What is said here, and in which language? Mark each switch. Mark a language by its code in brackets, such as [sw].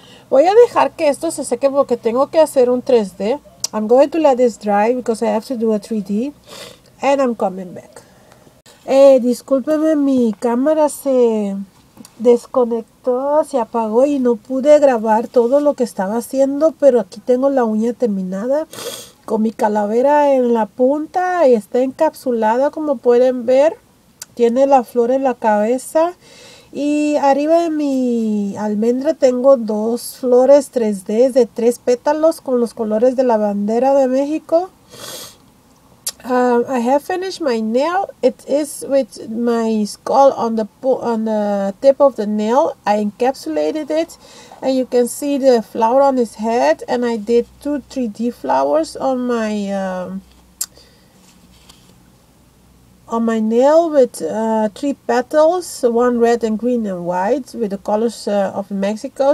[es] Voy a dejar que esto se seque porque tengo que hacer un 3D. [en] I'm going to let this dry because I have to do a 3D and I'm coming back. [es] Discúlpeme, mi cámara se desconectó, se apagó y no pude grabar todo lo que estaba haciendo, pero aquí tengo la uña terminada con mi calavera en la punta y está encapsulada, como pueden ver. Tiene la flor en la cabeza y arriba de mi almendra tengo dos flores 3D de tres pétalos con los colores de la bandera de México. [en] I have finished my nail. It is with my skull on the tip of the nail. I encapsulated it and you can see the flower on his head, and I did 2-3D flowers on my on my nail with three petals, one red and green and white with the colors of Mexico.